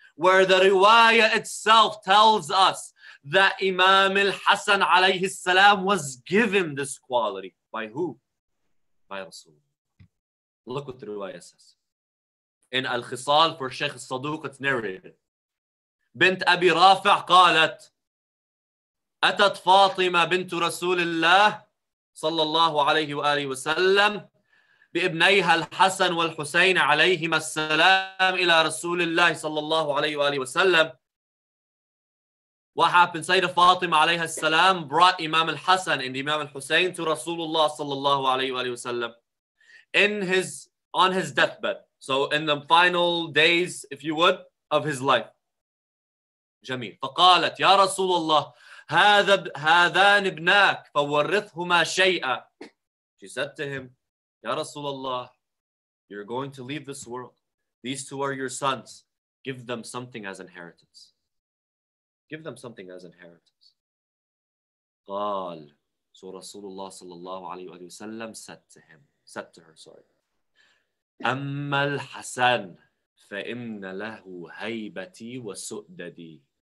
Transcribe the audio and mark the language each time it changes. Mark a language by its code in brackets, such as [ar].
[en] Where the riwayah itself tells us that Imam al-Hasan alayhi salam was given this quality. By who? By Rasulullah. Look what the riwayah says. In Al-Khisal for Sheikh Al-Saduq, it's narrated. [ar] بنت أبي رافع قالت أتت فاطمة بنت رسول الله صلى الله عليه وآله وسلم بابنيها الحسن والحسين عليهما السلام إلى رسول الله صلى الله عليه وآله وسلم. [en] What happened? Sayyidah Fatima عليها السلام brought Imam al-Hasan and Imam al-Husayn to Rasulullah [ar] صلى الله عليه وآله وسلم [en] on his deathbed. So in the final days, if you would, of his life. [ar] جميل. فقالت يا رسول الله هذان ابناك فورثهما شيئا. [en] She said to him, [ar] يا رسول الله, [en] you're going to leave this world. These two are your sons. Give them something as inheritance. Give them something as inheritance. [ar] قال. [en] So [ar] رسول الله صلى الله عليه وسلم [en] said to her. [ar] أما الحسن فإن له هيبتي وسؤددي.